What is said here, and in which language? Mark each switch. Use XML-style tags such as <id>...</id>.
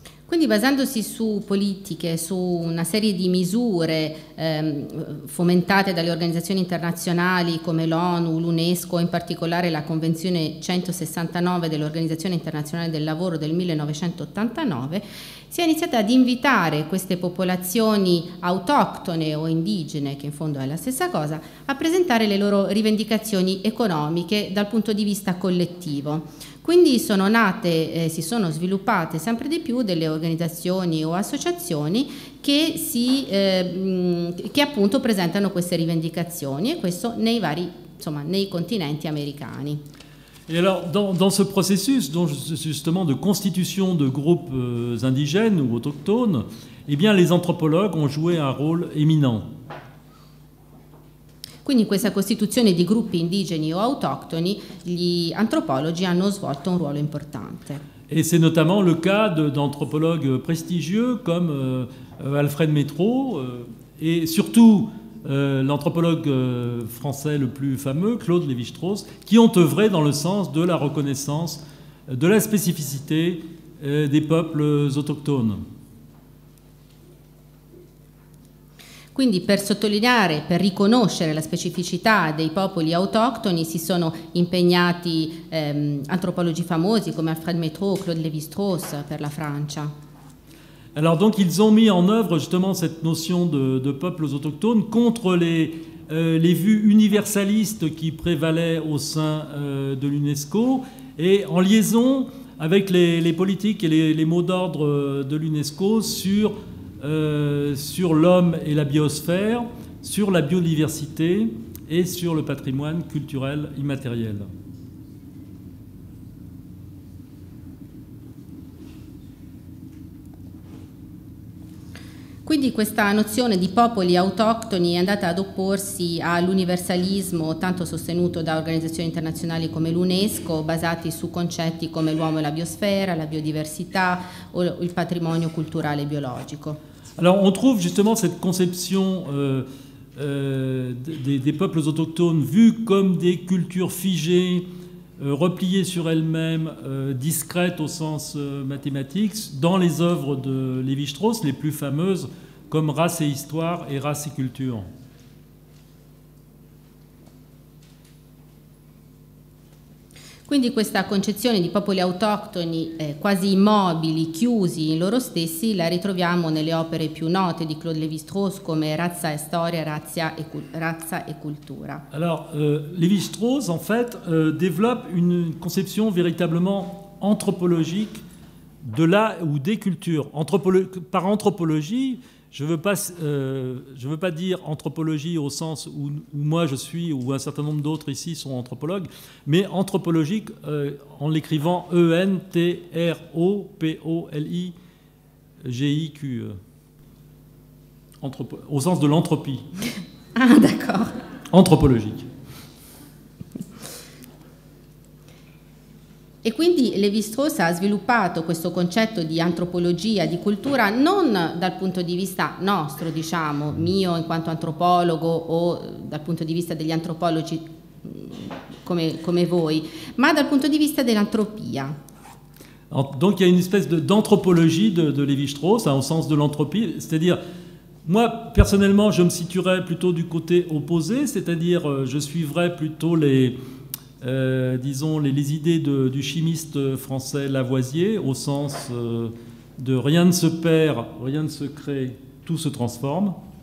<it>Quindi basandosi su politiche, su una serie di misure fomentate dalle organizzazioni internazionali come l'ONU, l'UNESCO, in particolare la Convenzione 169 dell'Organizzazione Internazionale del Lavoro del 1989, si è iniziata ad invitare queste popolazioni autoctone o indigene, che in fondo è la stessa cosa, a presentare le loro rivendicazioni economiche dal punto di vista collettivo. Quindi sono nate, si sono sviluppate sempre di più delle organizzazioni o associazioni che appunto presentano queste rivendicazioni, e questo nei vari, insomma, nei continenti americani.</it> <fr>Et alors, dans ce processus, donc justement, de constitution de groupes indigènes ou autochtones, eh bien, les anthropologues ont joué un rôle éminent.</fr> <it>Quindi in questa costituzione di gruppi indigeni o autoctoni, gli antropologi hanno svolto un ruolo importante.</it> <fr>E c'est notamment le cas d'anthropologues prestigieux comme Alfred Métraux et surtout l'anthropologue français le plus fameux, Claude Lévi-Strauss, qui ont œuvré dans le sens de la reconnaissance de la spécificité des peuples autochtones.</fr> <it>Quindi per sottolineare, per riconoscere la specificità dei popoli autoctoni, si sono impegnati antropologi famosi come Alfred Métraux, Claude Lévi-Strauss per la Francia.</it> <fr>Alors donc ils ont mis en œuvre justement cette notion de peuples autochtones contre les vues universalistes qui prévalaient au sein de l'UNESCO, et en liaison avec les politiques et les mots d'ordre de l'UNESCO sur l'homme et la biosphère, sur la biodiversité et sur le patrimoine culturel immatériel.</fr> <it>Quindi questa nozione di popoli autoctoni è andata ad opporsi all'universalismo tanto sostenuto da organizzazioni internazionali come l'UNESCO, basati su concetti come l'uomo e la biosfera, la biodiversità o il patrimonio culturale biologico.</it> <fr>Alors on trouve justement cette conception des peuples autochtones vus comme des cultures figées, repliées sur elles-mêmes, discrètes au sens mathématique, dans les œuvres de Lévi-Strauss, les plus fameuses, comme « Race et histoire » et « Race et culture ».</fr> <it>Quindi questa concezione di popoli autoctoni quasi immobili, chiusi in loro stessi, la ritroviamo nelle opere più note di Claude Lévi-Strauss come Razza e storia, razza e cultura.</it> <fr>Alors, Lévi-Strauss en fait développe une conception véritablement anthropologique de la ou des cultures. Par anthropologie, je veux pas dire anthropologie au sens où moi je suis, ou un certain nombre d'autres ici sont anthropologues, mais anthropologique en l'écrivant E-N-T-R-O-P-O-L-I-G-I-Q-E. Au sens de l'entropie. Ah, d'accord. Anthropologique.</fr> <it>E quindi Lévi-Strauss ha sviluppato questo concetto di antropologia, di cultura, non dal punto di vista nostro, diciamo, mio in quanto antropologo o dal punto di vista degli antropologi come voi, ma dal punto di vista dell'antropia.</it> <fr>Donc il y a une espèce d'anthropologie de Lévi-Strauss, hein, au sens de l'entropie, c'est-à-dire, moi personnellement je me situerais plutôt du côté opposé, c'est-à-dire je suivrais plutôt les idées du chimiste français Lavoisier, au sens de rien ne se perd, rien ne se crée, tout se transforme.</fr>